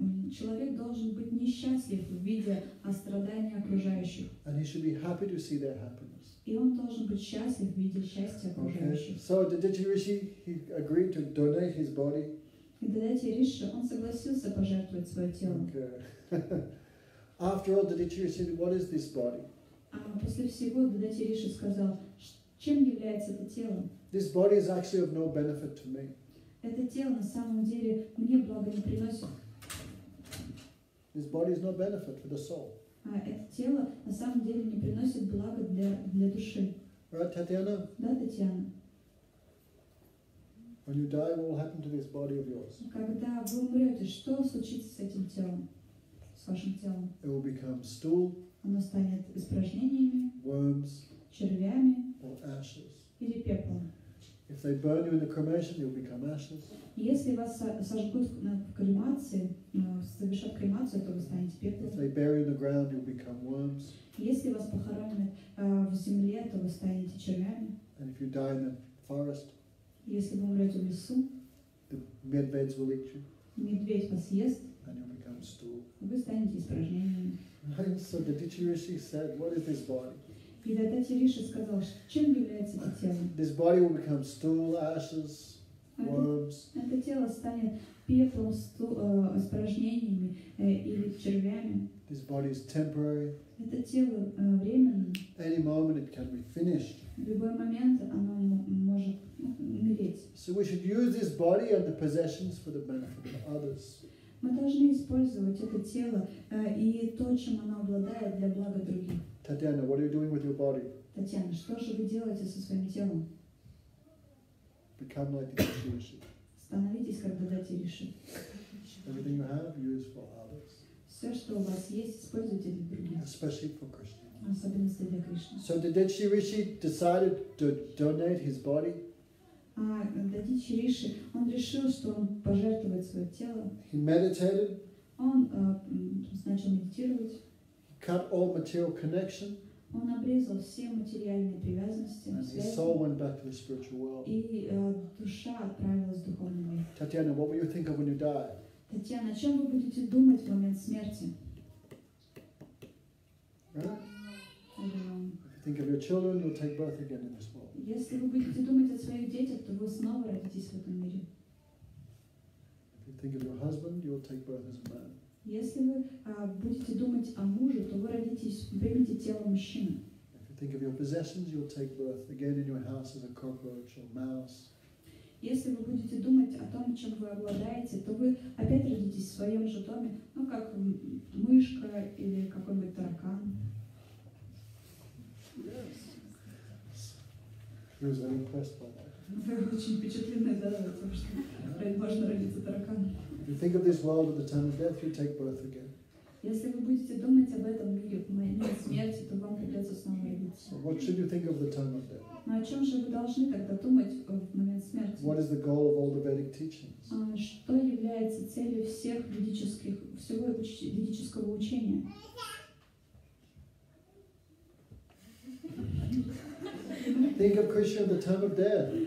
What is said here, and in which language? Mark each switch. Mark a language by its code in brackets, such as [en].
[ru] Человек должен быть несчастлив в виде страданий окружающих. [en] And he should be happy to see their happiness. [ru] И он должен быть счастлив в виде счастья окружающих. [en] So Dadachi Rishi, he agreed to donate his body. [ru] И Дадати Риши, он согласился пожертвовать свое тело. [en] Okay. After all, Dadachi Rishi, what is this body? [ru] После всего Дадати Риши сказал, чем является это тело? [en] This body is actually of no benefit to me. [ru] Это тело на самом деле мне блага не приносит. [en] This body is no benefit for the soul. [ru] Это тело на самом деле не приносит блага для души. [en] Right, Татьяна? [ru] Да, Татьяна. [en] When you die, what will happen to this body of yours? [ru] Когда вы умрете, что случится с этим телом, с вашим телом? [en] It will become stool. [ru] Оно станет испражнениями. [en] Worms. [ru] Червями. [en] Or ashes. [ru] Или пеплом. [en] If they burn you in the cremation, you'll become ashes. [ru] Если вас сожгут в кремации, совершат кремацию, то вы станете пеплом. [en] If they bury in the ground, you'll become worms. [ru] Если вас похоронят в земле, то вы станете червями. [en] And if you die in the forest, [ru] если вы умрете в лесу, [en] the medveds will eat you. [ru] Медведь вас ест. [en] And you'll become stool. [ru] Вы станете испражнениями. [en] Right? So the Dadachi Rishi said, "What is this body?" [ru] И тогда Тириша сказал, чем является это тело? [en] This body will become stool, ashes, worms. [ru] Это тело станет пеплом, испражнениями или червями. [en] This body is temporary. [ru] Это тело временно. [en] Any moment it can be finished. [ru] В любой момент оно может умереть. [en] So we should use this body and the possessions for the benefit of others. [ru] Мы должны использовать это тело и то, чем оно обладает, для блага других. [en] Татьяна, what are you doing with your body? [ru] Татьяна, что же вы делаете со своим телом? [en] Become like the Dadachi Rishi. [ru] Становитесь как Дадати Риши. [en] Everything you have, use for others. [ru] Все, что у вас есть, используйте для других. [en] Especially for Krishna. [ru] Особенно для Кришны. [en] So Dadachi Rishi decided to donate his body. [ru] Дадачи Риши, он решил, что он пожертвует свое тело. [en] He meditated. [ru] Он начал медитировать. [en] Cut all material connection. [ru] Он обрезал все материальные привязанности. [en] And his soul went back to the spiritual world. [ru] И душа отправилась в духовный мир. [en] Татьяна, what will you think of when you die? [ru] Татьяна, о чем вы будете думать в момент смерти? [en] Right? If you think of your children, you'll take birth again in this world. [ru] Если вы будете думать о своих детях, то вы снова родитесь в этом мире. [en] If you think of your husband, you'll take birth as a man. [ru] Если вы будете думать о муже, то вы родитесь, примете тело мужчины. [en] If you think of your possessions, you'll take birth again in your house as a cockroach or mouse. [ru] Если вы будете думать о том, чем вы обладаете, то вы опять родитесь в своем же доме, ну как мышка или какой-нибудь таракан. [en] Yes. Very impressed by that. [ru] Вы очень впечатлены, да, потому что можно родиться тараканом. [en] If you think of this world at the time of death, you take birth again. [ru] Если вы будете думать об этом мире в момент смерти, то вам придется снова родиться. [en] What should you think of the time of death? [ru] Но о чем же вы должны тогда думать в момент смерти? [en] What is the goal of all the Vedic teachings? [ru] Что является целью всех ведических всего ведического учения? [en] Think of Krishna at the time of death.